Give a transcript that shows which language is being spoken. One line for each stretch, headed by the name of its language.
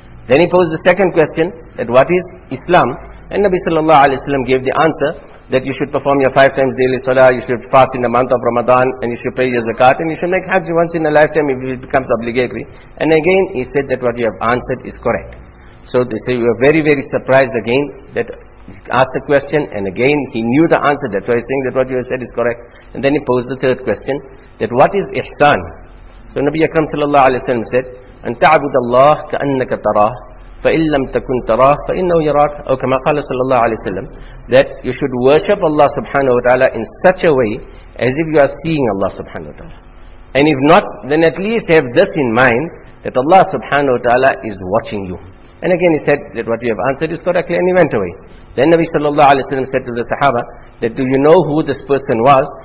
English: Then he posed the second question, that what is Islam? And Nabi sallallahu alayhi wa sallam gave the answer that you should perform your 5 times daily salah, you should fast in the month of Ramadan, and you should pay your zakat, and you should make hajj once in a lifetime if it becomes obligatory. And again, he said that what you have answered is correct. So they say, we were very, very surprised again that he asked a question, and again he knew the answer, that's why he's saying that what you have said is correct. And then he posed the third question, that what is ihsan? So Nabi Akram sallallahu alayhi wa sallam said,
Arabic: أن تعبد الله كأنك تراه فإن لم تكن تراه فإنه يراك. أو كما قال صلى الله عليه وسلم,
English: that you should worship Allah subhanahu wa ta'ala in such a way as if you are seeing Allah subhanahu wa ta'ala, and if not, then at least have this in mind, that Allah subhanahu wa ta'ala is watching you. And again he said that what you have answered is correctly, and he went away. Then Nabi sallallahu alayhi wa sallam said to the Sahaba, that do you know who this person was?